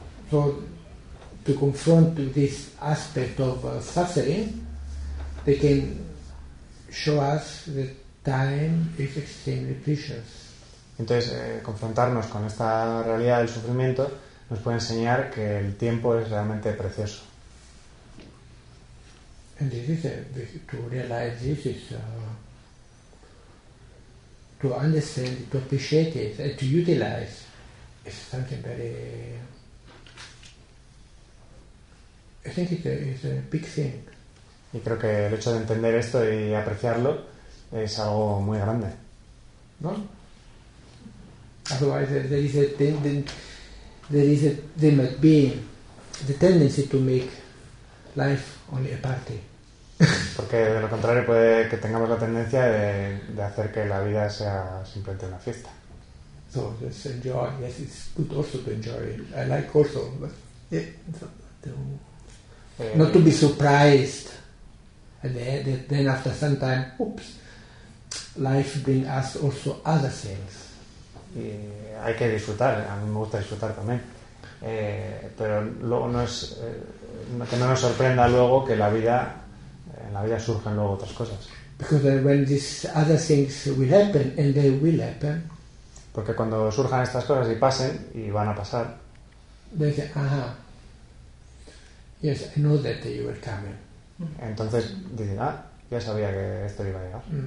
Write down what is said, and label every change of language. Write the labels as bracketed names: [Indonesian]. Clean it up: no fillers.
[English] So to confront this aspect of suffering, they can show us that time is extremely precious. [Spanish] Entonces, confrontarnos con esta realidad del sufrimiento nos puede enseñar que el tiempo es realmente precioso. [English] And this is to realize this is to understand, to appreciate it, and to utilize is something very. I think it's a big thing. [Spanish] Y creo que el hecho de entender esto y apreciarlo es algo muy grande. No. [English] Otherwise, there might be the tendency to make life only a party. [Spanish] Porque de lo contrario puede que tengamos la tendencia de hacer que la vida sea simplemente una fiesta. [English] So just enjoy. Yes, it's good also to enjoy. I like also, but not to be surprised. And then after some time, oops, life brings us also other things. [Spanish] Y hay que disfrutar. A mí me gusta disfrutar también. Pero luego no es que no nos sorprenda luego que la vida en la vida surgen luego otras cosas. [English] Because when these other things will happen, and they will happen. [Spanish] Porque cuando surjan estas cosas y pasen, y van a pasar. [English] They say, aha. Yes, I know that you were coming. [Spanish] Entonces dicen, ah, ya sabía que esto iba a llegar.